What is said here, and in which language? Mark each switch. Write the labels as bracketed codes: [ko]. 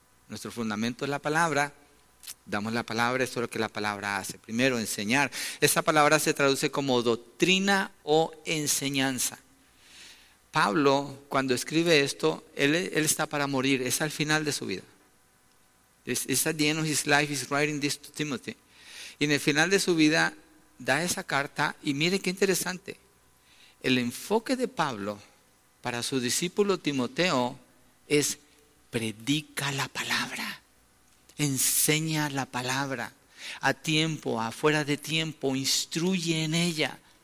[es] Nuestro fundamento es la palabra, damos la palabra, eso es lo que la palabra hace. Primero, enseñar. Esa palabra se traduce como doctrina o enseñanza. Pablo, cuando escribe esto, él está para morir, es al final de su vida. [en] It's at the end of his life, he's writing this to Timothy. [es] Y en el final de su vida, da esa carta, y mire qué interesante. El enfoque de Pablo para su discípulo Timoteo es: predica la palabra, enseña la palabra, a tiempo, afuera de tiempo, instruye en ella.